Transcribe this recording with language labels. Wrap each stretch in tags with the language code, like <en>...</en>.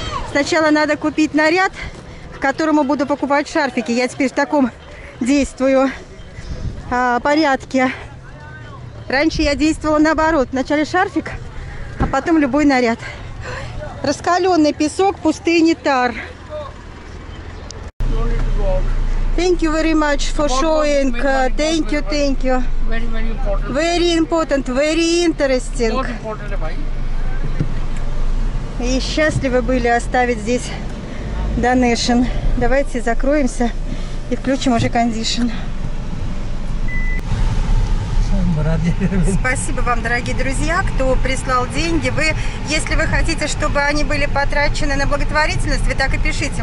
<ru>Сначала надо купить наряд, к которому буду покупать шарфики. Я теперь в таком действую порядке. Раньше я действовала наоборот. Вначале шарфик, а потом любой наряд. Раскаленный песок пустыни Тар.</ru> <en>Thank you very much for showing. Thank you. Very important, very interesting.</en> <ru>И счастливы были оставить здесь донейшн. Давайте закроемся и включим уже кондишн. Спасибо вам, дорогие друзья, кто прислал деньги. Вы, если вы хотите, чтобы они были потрачены на благотворительность, вы так и пишите.</ru>